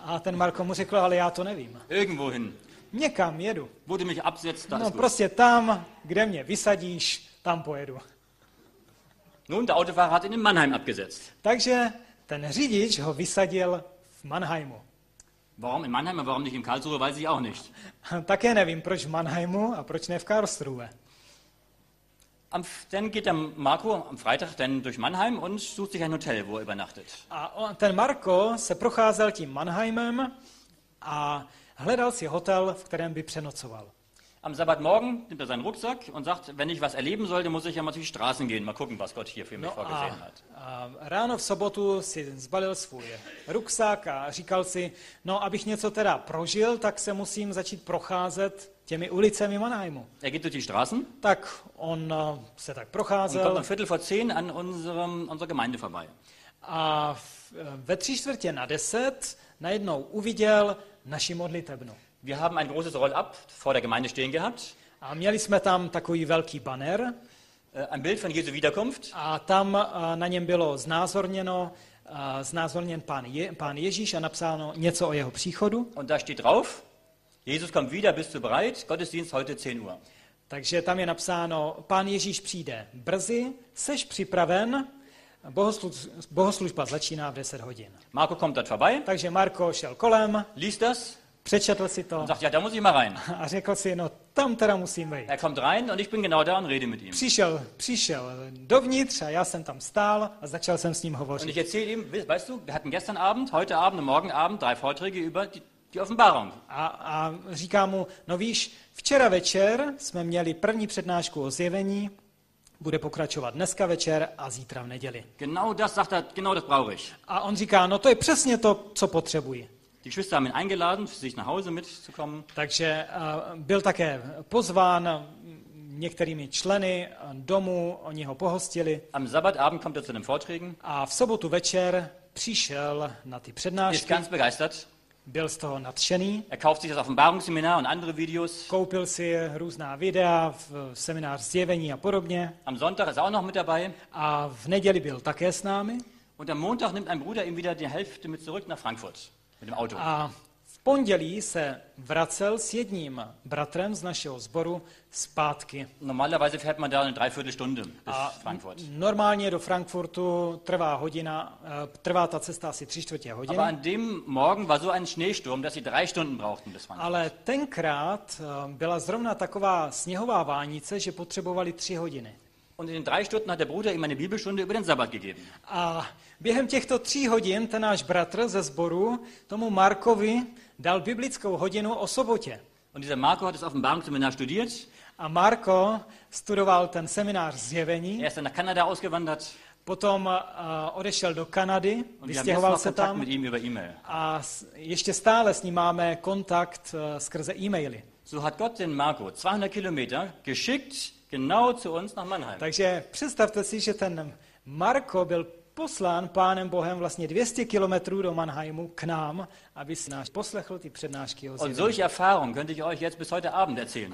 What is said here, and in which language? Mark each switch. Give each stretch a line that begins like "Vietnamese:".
Czech: A ten Marco mu řekl, ale já to nevím.
German: Irgendwo hin.
Czech: Někam jedu.
German: Wo du mich absetzt, da ist gut.
Czech: No prostě tam, kde mě vysadíš, tam pojedu.
German: Nun, der Autofahrer hat ihn in Mannheim abgesetzt.
Czech: Takže ten řidič ho vysadil v Mannheimu.
German: Warum in Mannheim, warum nicht in Karlsruhe, weiß ich auch nicht.
Czech: Také nevím, proč v Mannheimu a proč ne v Karlsruhe.
German: Dann geht der Marco am Freitag dann durch Mannheim und sucht sich ein Hotel, wo er übernachtet.
Czech: A ten Marco se procházel tím Mannheimem a hledal si hotel, v kterém by přenocoval.
German: Am Sabbatmorgen nimmt er seinen Rucksack und sagt, wenn ich was erleben sollte, muss ich ja mal durch die Straßen gehen, mal gucken, was Gott hier für mich vorgesehen hat.
Czech: Ráno v sobotu si zbalil svůj ruksak a říkal si, no abych něco teda prožil, tak se musím začít procházet těmi ulicemi Mannheimu.
German: Er geht durch die Straßen.
Czech: Tak on se tak procházel.
German: Und kommt um viertel vor zehn an unserer Gemeinde vorbei.
Czech: A ve tři čtvrtě na deset najednou uviděl naši modlitebnu.
German: Wir haben ein großes Roll-up vor der Gemeinde stehen gehabt.
Czech: A měli jsme tam takový velký banner.
German: Ein Bild von Jesu Wiederkunft.
Czech: A tam na něm bylo znázorněn pán Ježíš a napsáno něco o jeho příchodu.
German: Und da steht drauf, Jesus kommt wieder, bist du bereit? Gottesdienst heute 10 Uhr.
Czech: Takže tam je napsáno, pán Ježíš přijde brzy, seš připraven, bohoslužba začíná v 10 hodin.
German: Marco kommt dort vorbei.
Czech: Takže Marco šel kolem.
German: Liest das?
Czech: Přečetl si to.
German: Sagt, ja, da muss ich mal rein.
Czech: A řekl si, no tam teda musím vejít.
German: Er kommt rein und ich bin genau da und rede mit ihm.
Czech: Přišel dovnitř a já jsem tam stál a začal jsem s ním hovořit.
German: Und ich erzähl ihm, weißt du, wir hatten gestern Abend, heute Abend und morgen Abend drei Vorträge über die Offenbarung.
Czech: A říkám mu, no víš, včera večer jsme měli první přednášku o zjevení, bude pokračovat dneska večer a zítra v neděli.
German: Genau das sagt er, genau das brauche ich.
Czech: A on říká, no to je přesně to, co potřebuji.
German: Die Geschwister haben ihn eingeladen, für sich nach Hause mitzukommen.
Czech: Takže byl také pozván některými členy domu, oni ho pohostili.
German: Am Sabbatabend kommt er zu den Vorträgen.
Czech: A v sobotu večer přišel na ty přednášky.
German: Ist ganz begeistert.
Czech: Byl z toho nadšený.
German: Er kauft sich das Offenbarungsseminar und andere Videos.
Czech: Koupil si různá videa, seminář zjevení a podobně.
German: Am Sonntag ist auch noch mit dabei.
Czech: A v neděli byl také s námi.
German: Und am Montag nimmt ein Bruder ihm wieder die Hälfte mit zurück nach Frankfurt.
Czech: A v pondělí se vracel s jedním bratrem z našeho sboru zpátky.
German: Normalerweise fährt man da eine Dreiviertelstunde bis Frankfurt.
Czech: Normálně do Frankfurtu trvá ta cesta asi tři čtvrtě hodiny.
German: Aber an dem Morgen war so ein Schneesturm, dass sie drei Stunden brauchten bis Frankfurt.
Czech: Ale tenkrát byla zrovna taková sněhová vánice, že potřebovali tři hodiny.
German: Und in den drei Stunden hat der Bruder ihm eine Bibelstunde über den Sabbat gegeben.
Czech: A během těchto tří hodin ten náš bratr ze sboru tomu Markovi dal biblickou hodinu o sobotě.
German: Und dieser Marco hat das Offenbarungsseminar studiert.
Czech: A Marco studoval ten seminář zjevení.
German: Er ist dann nach Kanada ausgewandert.
Czech: Potom odešel do Kanady, vystěhoval se tam.
German: Mit ihm über E-Mail.
Czech: A ještě stále s ním máme kontakt skrze e-maily.
German: So hat Gott den Marco 200 Kilometer geschickt. Genau zu uns nach Mannheim.
Czech: Takže představte si, že ten Marco byl poslán pánem Bohem vlastně 200 kilometrů do Mannheimu k nám, aby si nás poslechl ty přednášky o zjevení.
German: Und solche Erfahrung könnte ich euch jetzt bis heute Abend erzählen.